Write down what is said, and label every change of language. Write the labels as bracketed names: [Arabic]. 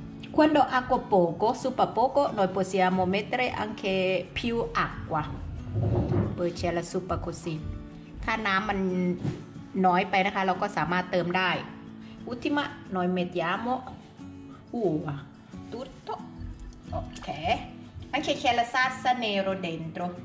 [Italian] Quando acqua poco, super poco, noi possiamo mettere anche più acqua. Poi c'è la super così. [Thai] ถ้าน้ำมันน้อยไปนะคะ เราก็สามารถเติมได้ [Italian] Ultima, noi mettiamo uva. Tutto. Ok. Anche c'è la salsa nero dentro.